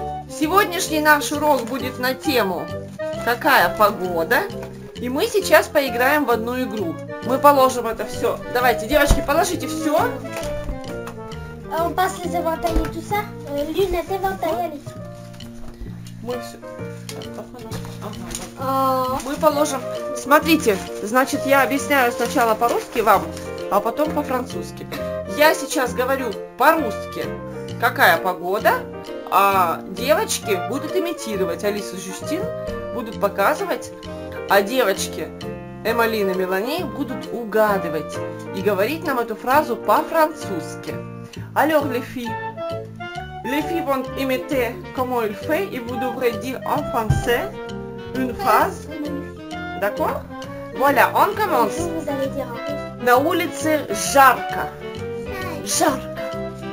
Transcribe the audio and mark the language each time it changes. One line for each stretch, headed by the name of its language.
Russian: Сегодняшний наш урок будет на тему «Какая погода?». И мы сейчас поиграем в одну игру. Мы положим это все. Давайте, девочки, положите все.
French: On passe les éventails et tout ça. L'une est éventail, allez.
Russian: Moi, все. Мы положим. Смотрите, значит, я объясняю сначала по-русски вам, а потом по-французски. Я сейчас говорю по-русски, какая погода, а девочки будут имитировать. Алису и Жюстин будут показывать, а девочки Эмалин и Мелани будут угадывать и говорить нам эту фразу по-французски.
French: Alors les filles vont imiter comment il fait et vous devrez dire en français. Une phrase. D'accord? Voilà, on commence.
Russian: На улице жарко. Жарко.